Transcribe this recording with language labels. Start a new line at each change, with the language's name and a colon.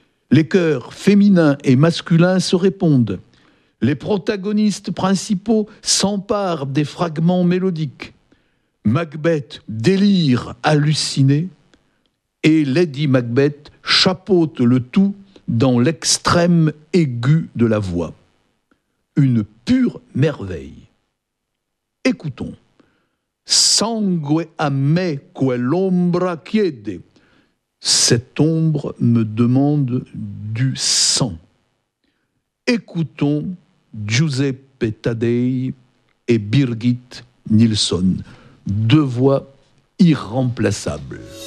French: Les chœurs féminins et masculins se répondent. Les protagonistes principaux s'emparent des fragments mélodiques. Macbeth délire halluciné et Lady Macbeth chapeaute le tout dans l'extrême aigu de la voix. Une pure merveille. Écoutons.
Italian: Sangue a me quell'ombra chiede.
French: Cette ombre me demande du sang. Écoutons Giuseppe Taddei et Birgit Nilsson. Deux voix irremplaçables.